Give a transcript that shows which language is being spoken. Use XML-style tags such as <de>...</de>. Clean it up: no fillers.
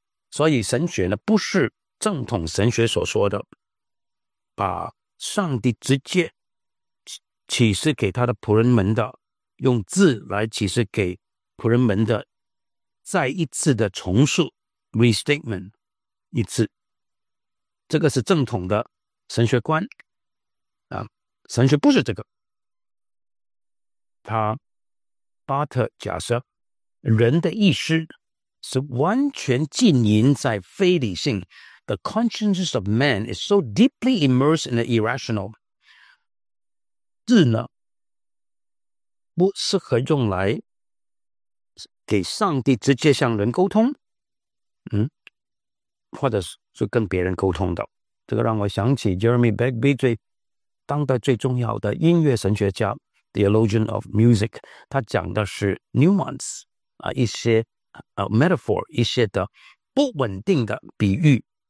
<zh>所以神学呢，不是正统神学所说的把上帝直接启示给他的仆人们的，用字来启示给仆人们的，再一次的重述 restatement 一次，这个是正统的神学观啊。神学不是这个，他巴特假设人的意识是完全浸淫在非理性。</zh> <en>The consciousness of man is so deeply immersed in the irrational.</en> <zh>字呢，不适合用来给上帝直接向人沟通，或者是跟别人沟通的。这个让我想起 Jeremy Bagby 最当代最重要的音乐神学家 Theologian of Music， 他讲的是 nuance 啊，一些metaphor， 一些的不稳定的比喻。</zh>